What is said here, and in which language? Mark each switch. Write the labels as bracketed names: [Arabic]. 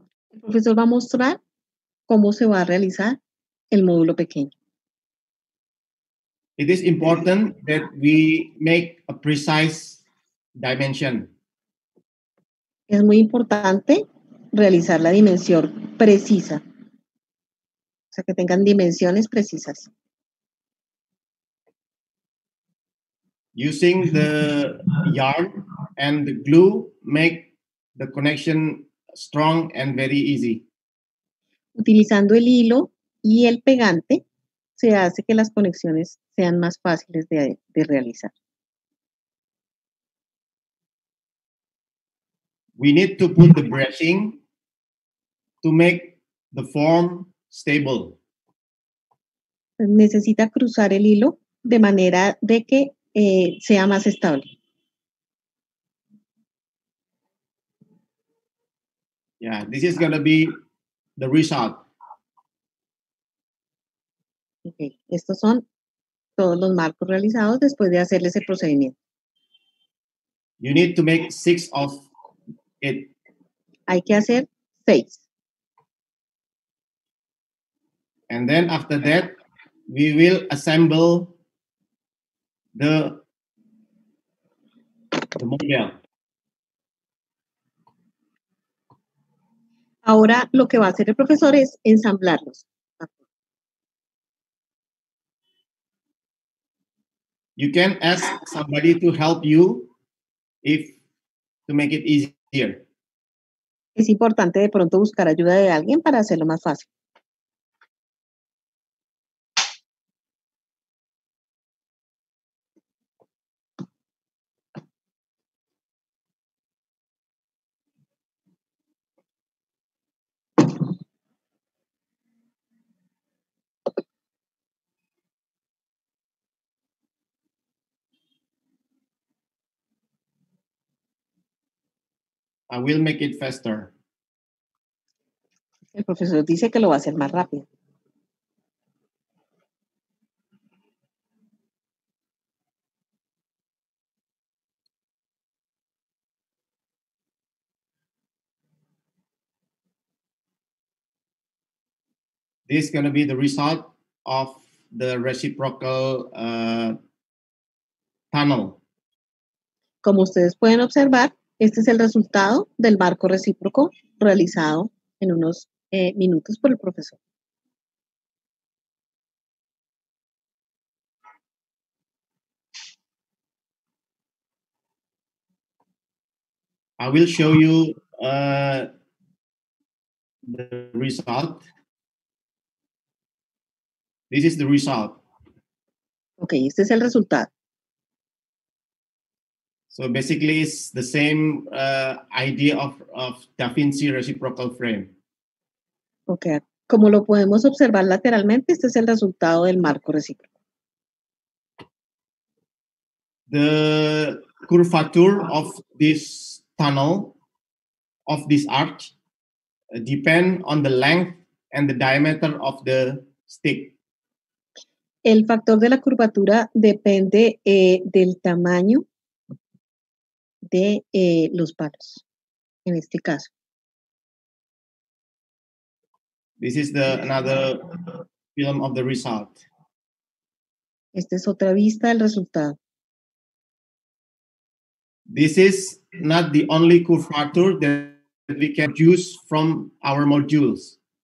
[Spanish] El profesor va a mostrar cómo se va a realizar el módulo pequeño. [English] It is important that we make a precise dimension. [Spanish] Es muy importante realizar la dimensión precisa. O sea, que tengan dimensiones precisas. [English] Using the yarn and the glue make the connection strong and very easy. [Spanish] Utilizando el hilo y el pegante, se hace que las conexiones sean más fáciles de realizar. [English] We need to put the brushing to make the form stable. [Spanish] Necesita cruzar el hilo de manera de que sea más estable. [English] Yeah, this is going to be the result. [Spanish] Okay, estos son todos los marcos realizados después de hacerles el procedimiento. [English] You need to make 6 of it. [Spanish] Hay que hacer 6. [English] And then after that, we will assemble the model. [Spanish] Ahora lo que va a hacer el profesor es ensamblarlos. [English] You can ask somebody to help you if to make it easier. [Spanish] Es importante de pronto buscar ayuda de alguien para hacerlo más fácil. [English] I will make it faster. [Spanish] El profesor dice que lo va a hacer más rápido. [English] This is going to be the result of the reciprocal tunnel. [Spanish] Como ustedes pueden observar, este es el resultado del barco recíproco realizado en unos minutos por el profesor. [English] I will show you the result. This is the result. [Spanish] Okay, este es el resultado. [English] So basically, it's the same idea of Da Vinci reciprocal frame. [Spanish] Okay, como lo podemos observar lateralmente, este es el resultado del marco recíproco. [English] The curvature of this tunnel, of this arch, depend on the length and the diameter of the stick. [Spanish] El factor de la curvatura depende del tamaño de los palos, en este caso. [English] This is the another film of the result. [Spanish] Esta es otra vista del resultado. [English] This is not the only curvature that we can use from our modules.